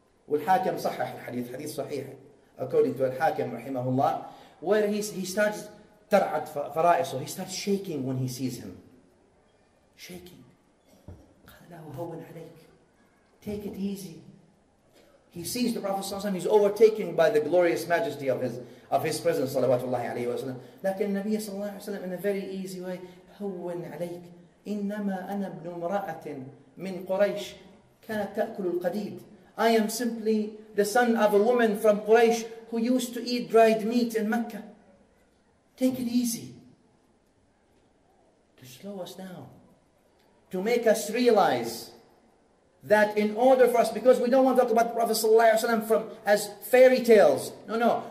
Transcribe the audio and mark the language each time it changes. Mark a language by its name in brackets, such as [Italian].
[English] Al-Hakim sahih al-hadith, hadith sahih. According to Al-Hakim rahimahullah, where he starts [Arabic] ترعد فرائصه. [English] So he starts shaking when he sees him. Shaking. [Arabic] قال له هون عليك. [English] Take it easy. He sees the Prophet صلى الله عليه وسلم. He's overtaken by the glorious majesty of his presence صلوات الله عليه وسلم. [Arabic] لكن النبي صلى الله عليه وسلم [English] in a very easy way. [Arabic] هون عليك. إنما أنا ابن امرأة من قريش كانت تأكل القديد. [English] I am simply the son of a woman from Quraysh who used to eat dried meat in Mecca. Take it easy. To slow us down. To make us realize that in order for us, because we don't want to talk about the Prophet sallallahu alaihi wasallam from as fairy tales. No, no.